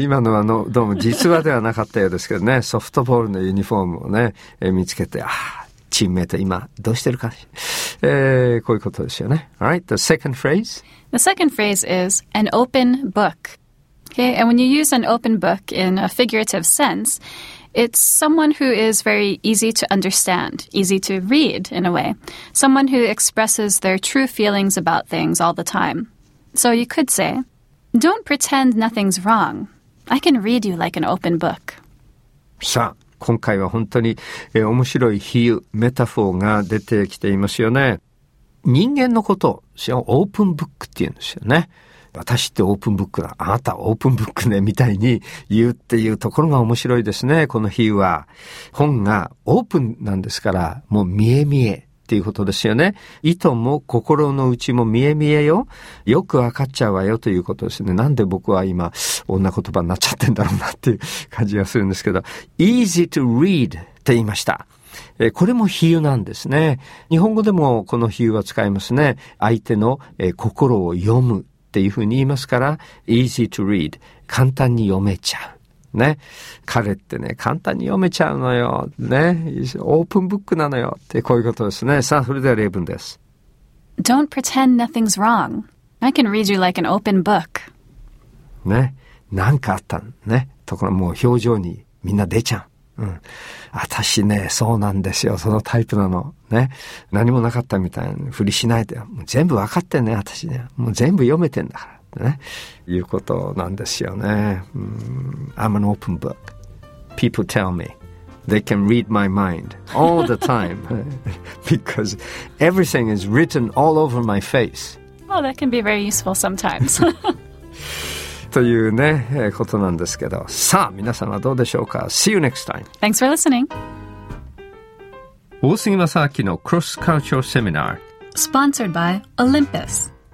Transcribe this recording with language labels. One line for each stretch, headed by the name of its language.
Japanese: 今のはのどうも実話ではなかったようですけどね、ソフトボールのユニフォームをね、見つけて、あーチームメイト今どうしてるか、こういうことですよね。
English: All right, the second phrase. The second phrase is an open book. Okay, and when you use an open book in a figurative sense, it's someone who is very easy to understand, easy to read in a way, someone who expresses their true feelings about things all the time. So you could say, don't pretend nothing's wrong. I can read you like an open book.
Japanese: さあ、今回は本当に、面白い比喩、メタフォーが出てきていますよね。人間のことをオープンブックって言うんですよね。私ってオープンブックだ、あなたオープンブックね、みたいに言うっていうところが面白いですね。この比喩は本がオープンなんですから、もう見え見えっていうことですよね。意図も心の内も見え見えよ、よくわかっちゃうわよということですね。なんで僕は今こんな言葉になっちゃってんだろうなっていう感じがするんですけど、
English: easy to read
Japanese: って言いました。これも比喩なんですね。日本語でもこの比喩は使いますね。相手の心を読むっていうふうに言いますから、
English: easy to read、
Japanese: 簡単に読めちゃうね。彼ってね、簡単に読めちゃうのよね。オープンブックなのよって、こういうことですね。さあそれでは例文です。
English: Don't pretend nothing's wrong. I can read you like an open book.
Japanese: ね、なんかあったね、ところもう表情にみんな出ちゃう。うん、私ね、そうなんですよ、そのタイプなのね。何もなかったみたいなふりしないで、もう全部分かってんね、私ね、もう全部読めてんだからね、いうことなんですよね。
English: I'm an open book. People tell me they can read my mind all the time because everything is written all over my face. Well, that can be very useful sometimes.
Japanese: というね、ことなんですけど、さあ皆さんはどうでしょうか。
English: See you next time. Thanks for listening.
Japanese: 大杉正明のクロスカルチャーセミナー
English: Sponsored by Olympus.